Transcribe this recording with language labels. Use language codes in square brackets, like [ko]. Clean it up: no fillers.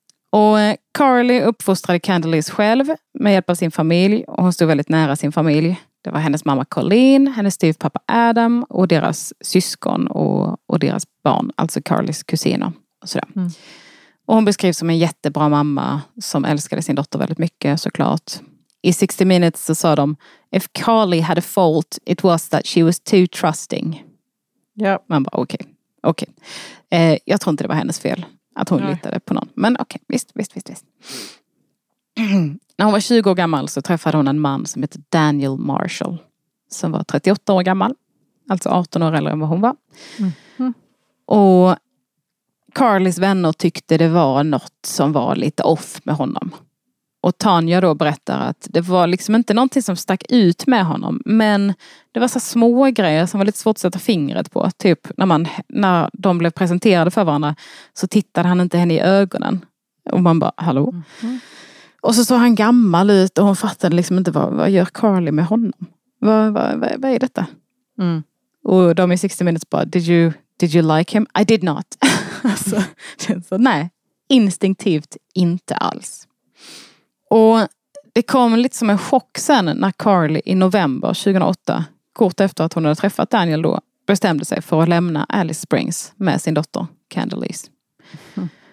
[sv] Och Carly uppfostrade Candalise själv med hjälp av sin familj och hon stod väldigt nära sin familj. Det var hennes mamma Colleen, hennes styvpappa Adam och deras syskon och deras barn, alltså Carlys kusiner. Och sådär. Mm. Och hon beskrivs som en jättebra mamma som älskade sin dotter väldigt mycket såklart. I 60 Minutes så sa de, [en] if Carly had a fault it was that she was too trusting. [sv] Ja. Man bara, okej. Jag tror inte det var hennes fel. Att hon litade på någon. Men okej, visst. När hon var 20 år gammal så träffade hon en man som heter Daniel Marshall. Som var 38 år gammal. Alltså 18 år äldre än vad hon var. Mm. Och Carlys vänner tyckte det var något som var lite off med honom. Och Tanja då berättar att det var liksom inte någonting som stack ut med honom. Men det var så små grejer som var lite svårt att sätta fingret på. Typ när de blev presenterade för varandra så tittade han inte henne i ögonen. Och man bara, hallå? Mm. Och så såg han gammal ut och hon fattade liksom inte, vad gör Carly med honom? Vad är detta? Mm. Och de i 60 Minutes bara, [en] did you like him? I did not. [sv] Alltså, nej, instinktivt inte alls. Och det kom lite som en chock sen när Carly i november 2008, kort efter att hon hade träffat Daniel då, bestämde sig för att lämna Alice Springs med sin dotter, Candlelease. Mm.